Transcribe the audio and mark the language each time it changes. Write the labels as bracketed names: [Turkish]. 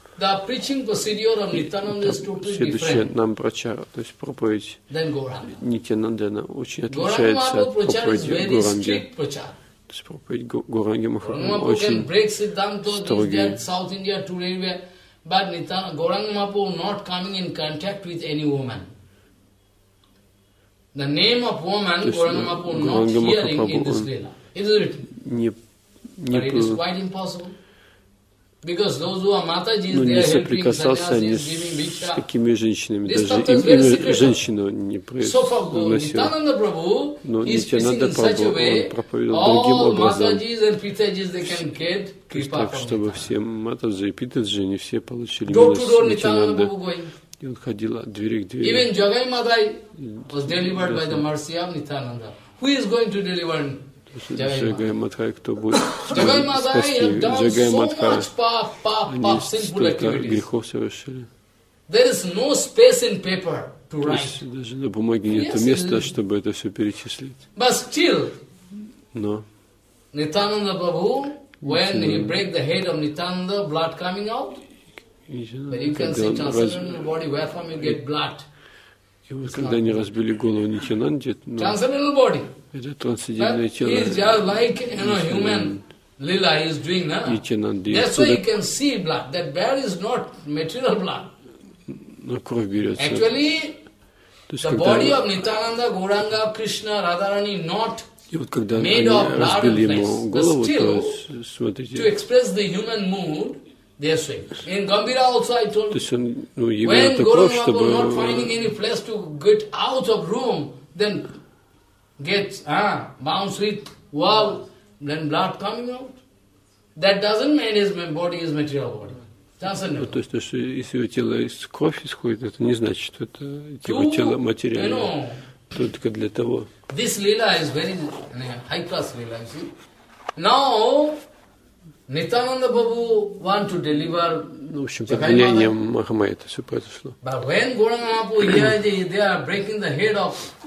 [Russian] Следующая нам прачара, то есть проповедь Нитянанды, она очень отличается от проповеди Гуранги. То есть проповедь Гуранги Махапрабху очень строгая. [English] But Nitananda, Gauranga Mahaprabhu not coming in contact with any woman. The name of woman, Gauranga Mahaprabhu not hearing in this lila. Is it written? [Russian] Не, не [English] but it is quite impossible. Because those who are Mataji, they are helping sannyasis, giving bhikshu. This [Russian] даже им женщину не приносил. Но Nityananda Prabhu, он проповедовал другим образом. Так, чтобы все Матаджи и Питаджи, не все получили милость Nityananda. И он ходил от двери к двери. [English] Even Jagai Madai was delivered by the mercy of Nitananda. Who is going to deliver him? [Russian] Джагай Матхай, кто будет спасти Джагай Матхай, они столько грехов совершили. [English] There is no space in paper to write. [Russian] Даже на бумаге нет места, чтобы это все перечислить. [English] But still, [Russian] но [English] Nitananda Prabhu, when he break the head of Nitananda, blood coming out. But you can see transcendental body, where from you get blood? [Russian] И вот когда они разбили голову Нитянанде, но [English] transcendental body. [Russian] Это трансцендентное тело. [English] He is just like, you know, human lila is doing, na? [Russian] Нитянанде. [English] That's why you can see blood. That bear is not material blood. [Russian] Но кровь берется. [English] Actually, the body of Nityananda, Gauranga, Krishna, Radharani, not. [Russian] И вот когда они разбили ему голову, то есть, смотрите. [English] To express the human mood, they are swinging. In Gambhira also, I told you. [Russian] Ну, [English] when Gauranga [Russian] чтобы... [English] was not finding any place to get out of room, then gets bounced with wow, then blood coming out. That doesn't mean his body is material body. [Russian] Ну, то есть, то, что если у тела из крови исходит, это не значит, что это его тело материальное. Только для того. [English] This lila is very high class lila, you see. Now, Nityananda Babu want to deliver. [Russian] Ну, в общем, под влиянием Махамаи это все произошло. [English] But when Gauranga Mahaprabhu here, they are breaking the head of Nityananda.